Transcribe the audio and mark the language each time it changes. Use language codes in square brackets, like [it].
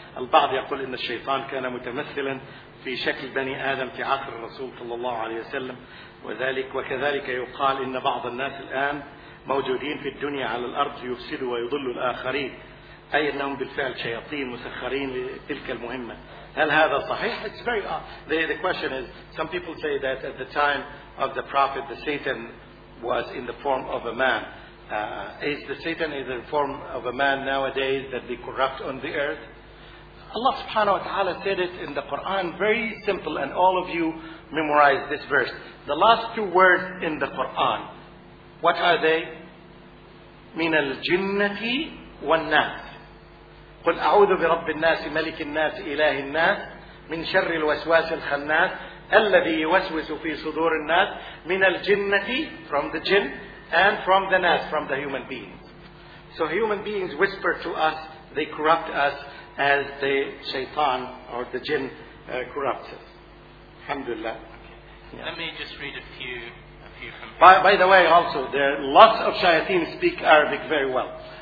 [ar] البعض يقول إن الشيطان كان متمثلا في شكل بني آدم في عصر الرسول صلى الله عليه وسلم وذلك وكذلك يقال إن بعض الناس الآن موجودين في الدنيا على الأرض يفسدوا ويضلوا الآخرين أي أنهم بالفعل شياطين مسخرين لتلك المهمة. هل هذا صحيح؟ [en] It's very odd. The question is, some people say that at the time of the Prophet, the Satan was in the form of a man. Is the Satan in the form of a man nowadays that they corrupt on the earth? Allah subhanahu wa ta'ala said it in the Quran, very simple, and all of you memorize this verse. The last two words in the Quran, what are they? [ar] من الجنة والناس. قل أعوذ برب الناس ملك الناس إله الناس من شر الوسواس الخناس الذي يوسوس في صدور الناس من الجنة [en] from the jinn and from the nas from the human beings. So human beings whisper to us, they corrupt us as the shaitan or the jinn corrupts us. Alhamdulillah. Okay. Yeah. Let me just read a few from. By the way, also there are lots of shayateen speak Arabic very well.